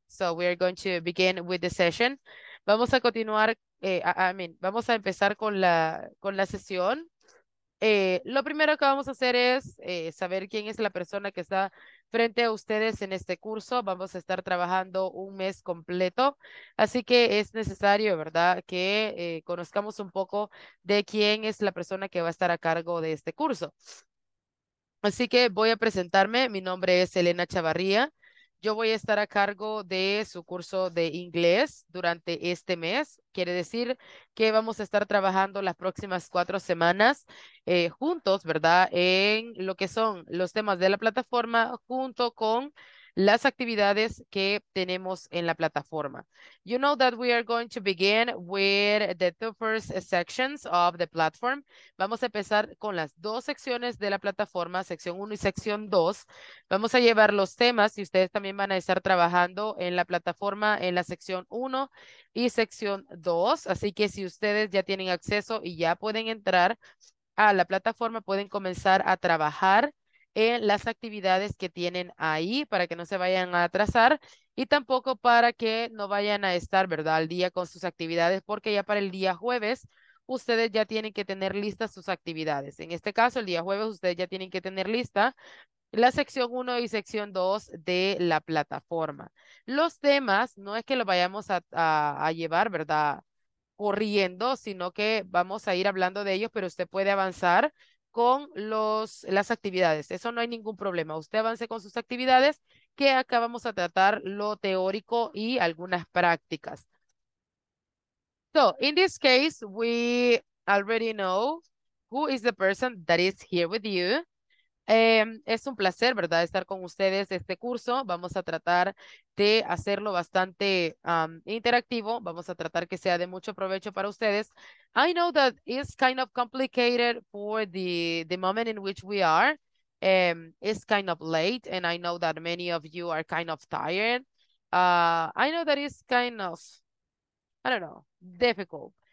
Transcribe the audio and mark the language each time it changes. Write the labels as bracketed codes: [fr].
[en] So, we are going to begin with the session. [es] Vamos a continuar, vamos a empezar con la sesión. Lo primero que vamos a hacer es saber quién es la persona que está frente a ustedes en este curso. Vamos a estar trabajando un mes completo, así que es necesario, ¿verdad?, que conozcamos un poco de quién es la persona que va a estar a cargo de este curso. Así que voy a presentarme. Mi nombre es Elena Chavarría. Yo voy a estar a cargo de su curso de inglés durante este mes. Quiere decir que vamos a estar trabajando las próximas 4 semanas juntos, ¿verdad? En lo que son los temas de la plataforma junto con las actividades que tenemos en la plataforma. [en] You know that we are going to begin with the two first sections of the platform. [es] Vamos a empezar con las dos secciones de la plataforma, sección 1 y sección 2. Vamos a llevar los temas y ustedes también van a estar trabajando en la plataforma en la sección 1 y sección 2. Así que si ustedes ya tienen acceso y ya pueden entrar a la plataforma, pueden comenzar a trabajar en las actividades que tienen ahí para que no se vayan a atrasar y tampoco para que no vayan a estar, ¿verdad?, al día con sus actividades, porque ya para el día jueves ustedes ya tienen que tener listas sus actividades. En este caso, el día jueves ustedes ya tienen que tener lista la sección 1 y sección 2 de la plataforma. Los temas no es que los vayamos a llevar, ¿verdad?, corriendo, sino que vamos a ir hablando de ellos, pero usted puede avanzar con las actividades. Eso no hay ningún problema. Usted avance con sus actividades, que acá vamos a tratar lo teórico y algunas prácticas. [en] So, in this case, we already know who is the person that is here with you. [es] Es un placer, ¿verdad?, estar con ustedes este curso. Vamos a tratar de hacerlo bastante interactivo. Vamos a tratar que sea de mucho provecho para ustedes. [en] I know that it's kind of complicated for the moment in which we are. It's kind of late, and I know that many of you are kind of tired. I know that it's kind of, I don't know, difficult.